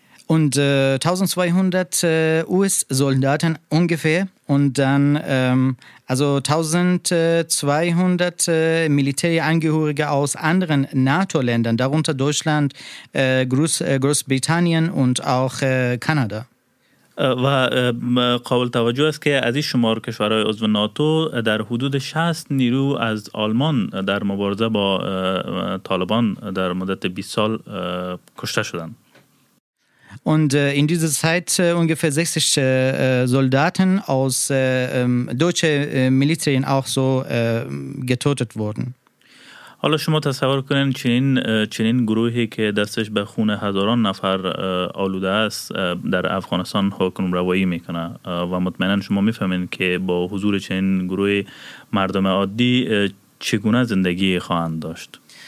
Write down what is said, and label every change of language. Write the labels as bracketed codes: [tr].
[de] Und 1200 US-Soldaten ungefähr und dann also 1200 Militärangehörige aus anderen NATO-Ländern, darunter Deutschland, Großbritannien und auch Kanada. [fa] و قابل توجه است که از این شمار کشورهای عضو ناتو در حدود 60 نیرو از آلمان در مبارزه با طالبان در مدت 20 سال کشته شدند. [de] Und in dieser Zeit ungefähr 60 Soldaten aus deutschen Militärien auch so getötet wurden. [fa] حالا شما تصور کنین چنین گروهی که دستش به خون هزاران نفر آلوده است در افغانستان حکم روایی میکنه و مطمئنن شما میفهمین که با حضور چنین گروه مردم عادی چگونه زندگی خواهند داشت.